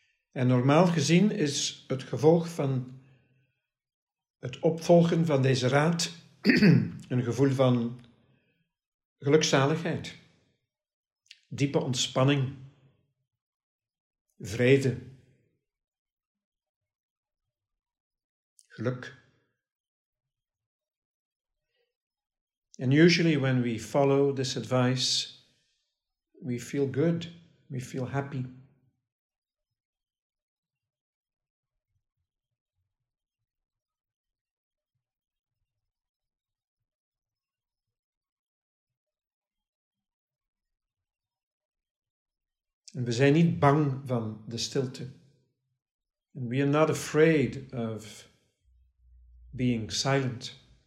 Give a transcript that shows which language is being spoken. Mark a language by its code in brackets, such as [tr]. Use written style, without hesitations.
[nl] En normaal gezien is het gevolg van het opvolgen van deze raad een gevoel van gelukzaligheid, diepe ontspanning, vrede, geluk. [en] And usually when we follow this advice, we feel good, we feel happy. [nl] En we zijn niet bang van de stilte. [en] And we are not afraid of being silent.